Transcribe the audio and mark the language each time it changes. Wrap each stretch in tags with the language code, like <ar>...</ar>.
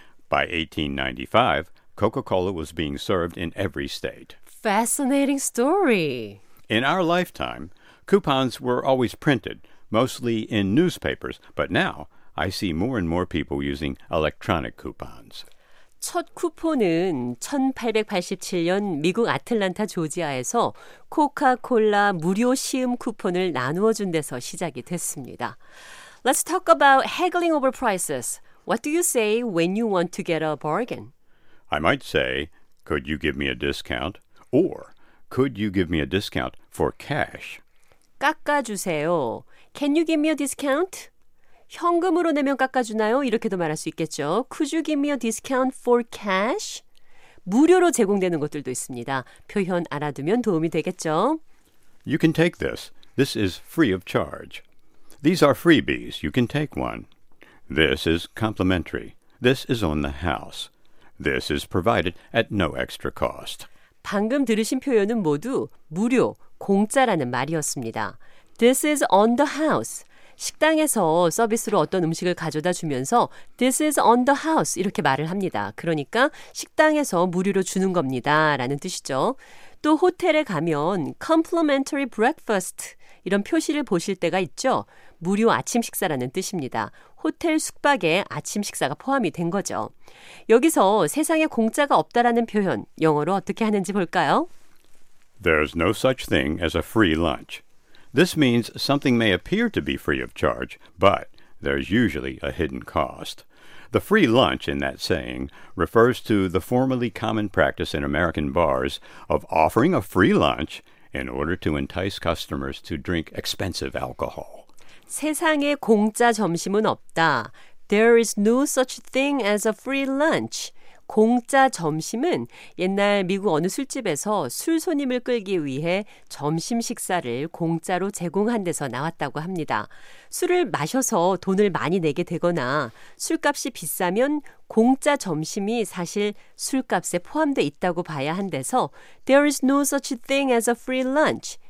<en>By 1895, Coca-Cola was being served in every state. Fascinating story. In our lifetime, coupons were always printed, mostly in newspapers, but now I see more and more people using electronic coupons.</en> <ko>첫 쿠폰은 1887년 미국 아틀란타 조지아에서 코카콜라 무료 시음 쿠폰을 나누어 준 데서 시작이 됐습니다.</ko> <en>Let's talk about haggling over prices. What do you say when you want to get a bargain? I might say, could you give me a discount? Or, could you give me a discount for cash?</en> <ko>깎아주세요.</ko> <en>Can you give me a discount?</en> <ko>현금으로 내면 깎아주나요? 이렇게도 말할 수 있겠죠.</ko> <en>Could you give me a discount for cash?</en> <ko>무료로 제공되는 것들도 있습니다. 표현 알아두면 도움이 되겠죠.</ko> <en>You can take this. This is free of charge. These are freebies. You can take one. This is complimentary. This is on the house. This is provided at no extra cost.</en> <ko>방금 들으신 표현은 모두 무료, 공짜라는 말이었습니다.</ko> <en>This is on the house.</en> <ko>식당에서 서비스로 어떤 음식을 가져다 주면서</ko> <en>This is on the house</en> <ko>이렇게 말을 합니다. 그러니까 식당에서 무료로 주는 겁니다 라는 뜻이죠. 또 호텔에 가면</ko> <en>complimentary breakfast</en> <ko>이런 표시를 보실 때가 있죠. 무료 아침 식사라는 뜻입니다. 호텔 숙박에 아침 식사가 포함이 된 거죠. 여기서 세상에 공짜가 없다라는 표현 영어로 어떻게 하는지 볼까요?</ko> <en>There's no such thing as a free lunch. This means something may appear to be free of charge, but there's usually a hidden cost. The free lunch in that saying refers to the formerly common practice in American bars of offering a free lunch in order to entice customers to drink expensive alcohol.</en> <ko>세상에 공짜 점심은 없다.</ko> <en>There is no such thing as a free lunch.</en> <ko>공짜 점심은 옛날 미국 어느 술집에서 술 손님을 끌기 위해 점심 식사를 공짜로 제공한 데서 나왔다고 합니다. 술을 마셔서 돈을 많이 내게 되거나 술값이 비싸면 공짜 점심이 사실 술값에 포함돼 있다고 봐야 한대서</ko> <en>There is no such thing as a free lunch.</en>